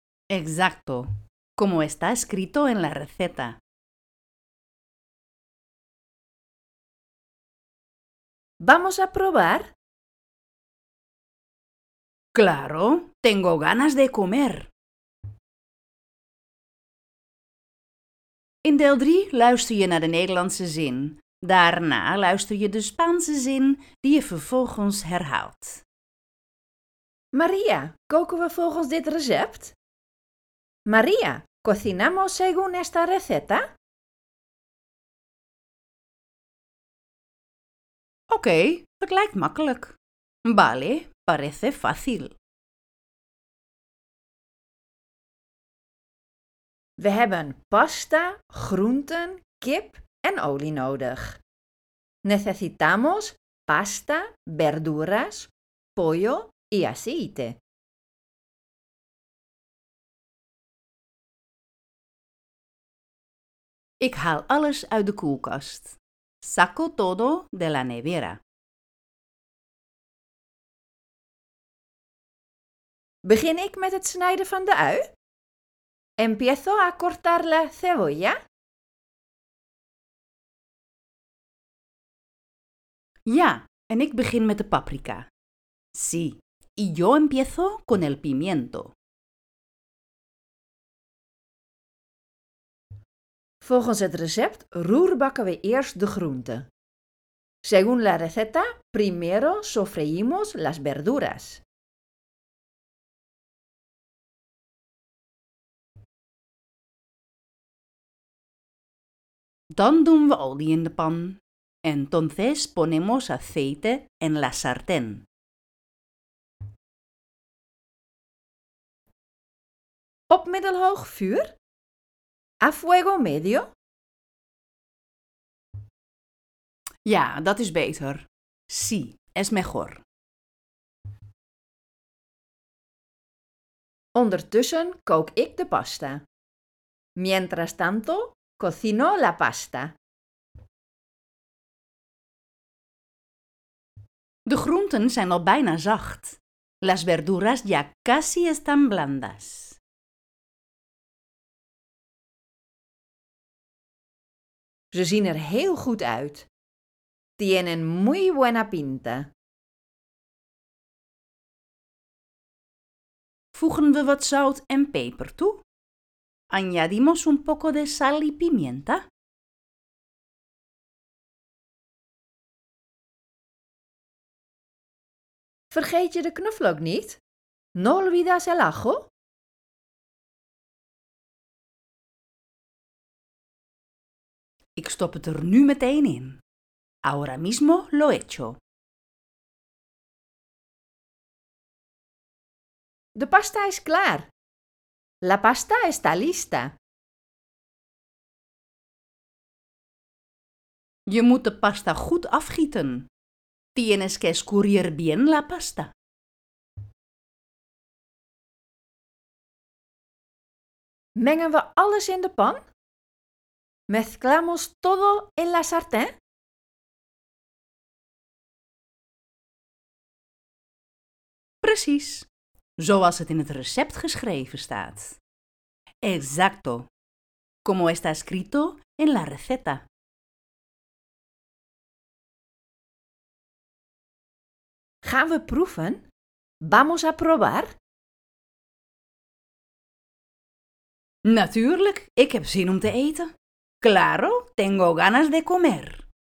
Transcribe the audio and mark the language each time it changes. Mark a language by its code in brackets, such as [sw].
[es] Exacto, como está escrito en la receta. ¿Vamos a probar? Claro, tengo ganas de comer. [nl] In deel 3 luister je naar de Nederlandse zin. Daarna luister je de Spaanse zin die je vervolgens herhaalt. María, koken we volgens dit recept? [es] María, ¿cocinamos según esta receta? [nl] Oké, het lijkt makkelijk. [es] Vale, parece fácil. [nl] We hebben pasta, groenten, kip en olie nodig. [es] Necesitamos pasta, verduras, pollo y aceite. [nl] Ik haal alles uit de koelkast. [es] Saco todo de la nevera. [nl] Begin ik met het snijden van de ui? [es] ¿Empiezo a cortar la cebolla? [nl] Ja, en ik begin met de paprika. [es] Sí, y yo empiezo con el pimiento. [nl] Volgens het recept roerbakken we eerst de groenten. [es] Según la receta, primero sofreímos las verduras. [nl] Dan doen we olie in de pan. [es] Entonces ponemos aceite en la sartén. [nl] Op middelhoog vuur? [es] A fuego medio? [nl] Ja, dat is beter. [es] Sí, es mejor. [nl] Ondertussen kook ik de pasta. [es] Mientras tanto, cocino la pasta. [nl] De groenten zijn al bijna zacht. [es] Las verduras ya casi están blandas. [nl] Ze zien er heel goed uit. [es] Tienen muy buena pinta. [nl] Voegen we wat zout en peper toe? [es] Añadimos un poco de sal y pimienta. [nl] Vergeet je de knoflook niet? [es] No olvidas el ajo? [nl] Ik stop het er nu meteen in. [es] Ahora mismo lo echo. [nl] De pasta is klaar. [es] La pasta está lista. [nl] Je moet de pasta goed afgieten. [es] Tienes que escurrir bien la pasta. [nl] Mengen we alles in de pan? [es] Mezclamos todo en la sartén? [nl] Precies, zoals het in het recept geschreven staat. [es] Exacto, como está escrito en la receta. [nl] Gaan we proeven? [es] Vamos a probar? [nl] Natuurlijk, ik heb zin om te eten. [es] Claro, tengo ganas de comer.